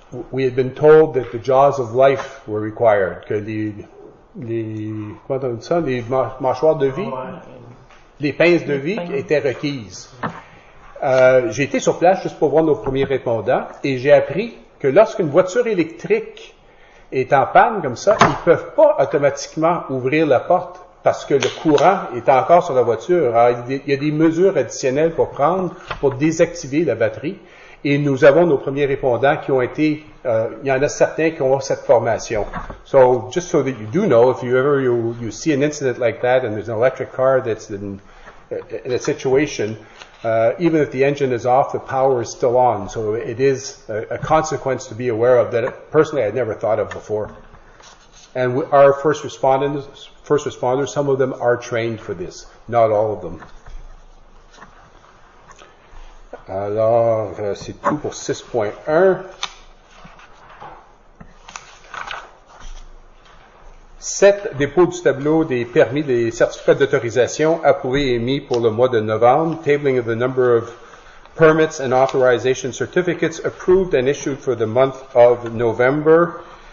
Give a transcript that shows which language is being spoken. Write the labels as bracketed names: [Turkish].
[English] We had been told that the jaws of life were required, [French] que les mâchoires de vie, les pinces de vie étaient requises. J'ai été sur place juste pour voir nos premiers répondants et j'ai appris que lorsqu'une voiture électrique est en panne comme ça, ils ne peuvent pas automatiquement ouvrir la porte parce que le courant est encore sur la voiture. Alors, il y a des mesures additionnelles pour prendre pour désactiver la batterie. Et nous avons nos premiers répondants qui ont été, il y en a certains qui ont cette formation. [English] So, just so that you do know, if you ever you see an incident like that and there's an electric car that's in a situation, even if the engine is off, the power is still on. So it is a consequence to be aware of that personally I'd never thought of before. And our first responders, some of them are trained for this, not all of them. [French] Alors, c'est tout pour 6.1. 7, dépôt du tableau des permis, des certificats d'autorisation approuvés et émis pour le mois de novembre. [English] Tabling of the number of permits and authorization certificates approved and issued for the month of November.